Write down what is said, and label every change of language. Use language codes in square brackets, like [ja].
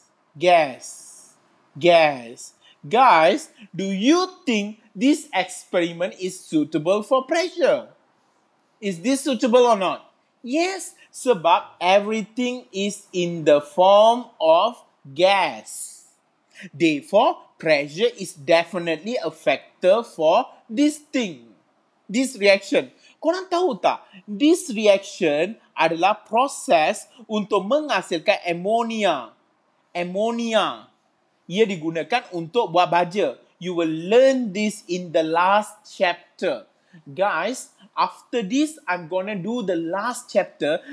[en] Guys, do you think this experiment is suitable for pressure? Is this suitable or not? Yes, [ms] sebab [en] everything is in the form of gas. Therefore, pressure is definitely a factor for this thing, this reaction. [ms] Korang tahu tak, [en] this reaction [ms] adalah proses untuk menghasilkan ammonia. Ammonia. Ia digunakan untuk buat baja. [en] You will learn this in the last chapter. Guys, after this, I'm gonna do the last chapter.